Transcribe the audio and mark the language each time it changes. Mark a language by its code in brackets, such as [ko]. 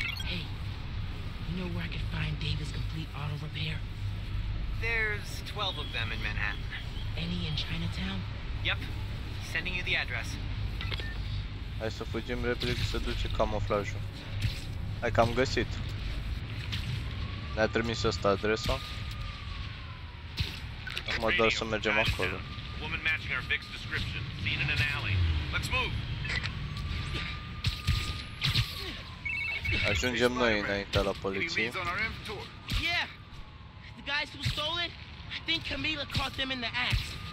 [en] Hey, you know where I could find David's complete auto repair? There's 12 of them in Manhattan. Any in Chinatown? Yep. Sending you the address. [ro] Hai să fugim repede că se duce camuflajul. Hai că am găsit. Ne-a trimis asta adresa. Acum doar să mergem acolo. [en] A woman matching our Vic's description, seen in an alley. Let's move! [ro] Ajungem noi înaintea la poliție. [en] Yeah. The guys who stole it? I think Camila caught them in the act.